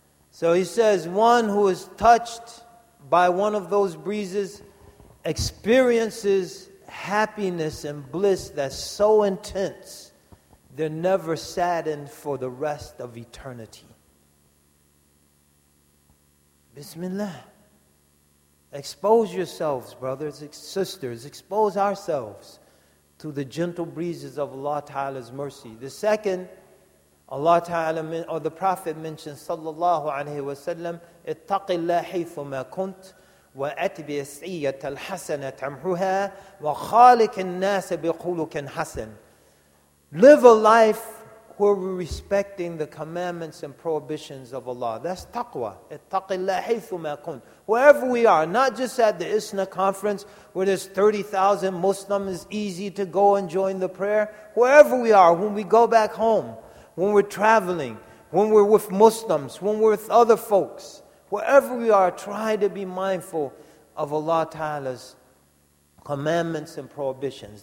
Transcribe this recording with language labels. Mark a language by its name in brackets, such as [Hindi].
[English] So he says, one who is touched by one of those breezes experiences happiness and bliss that's so intense, they're never saddened for the rest of eternity. Bismillah. Expose yourselves, brothers, sisters. Expose ourselves to the gentle breezes of Allah Ta'ala's mercy. The second, Allah Ta'ala, or the Prophet mentioned, sallallahu alayhi wa sallam, [Arabic] اتَّقِ اللَّهِ حَيْثُ مَا كُنْتْ وَأَتْبِي السَّيِّئَةَ الْحَسَنَةَ تَمْحُهَا وَخَالِكِ النَّاسَ بِقُولُكَ حَسَنٌ. [English] Live a life where we're respecting the commandments and prohibitions of Allah. That's taqwa. [Arabic] اتَّقِ اللَّهِ حَيْثُ مَا كُنْتْ. [English] Wherever we are, not just at the ISNA conference where there's 30,000 Muslims, easy to go and join the prayer. Wherever we are, when we go back home, when we're traveling, when we're with Muslims, when we're with other folks, wherever we are, try to be mindful of Allah Ta'ala's commandments and prohibitions.